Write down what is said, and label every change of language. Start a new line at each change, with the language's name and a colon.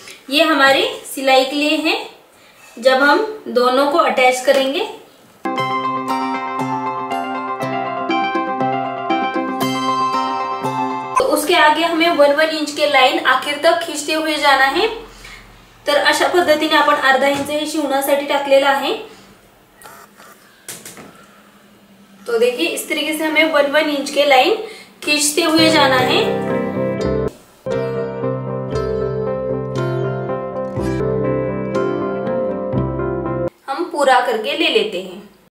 Hindi: ये हमारे सिलाई के लिए है, जब हम दोनों को अटैच करेंगे। तो उसके आगे हमें 1-1 इंच के लाइन आखिर तक खींचते हुए जाना है।
Marathi: तर अशा पद्धतीने आपण 1/2 इंच हे शिवण्यासाठी टाकलेला आहे।
Hindi: तो देखिए, इस तरीके से हमें 1-1 इंच के लाइन खींचते हुए जाना है। हम पूरा करके ले लेते हैं।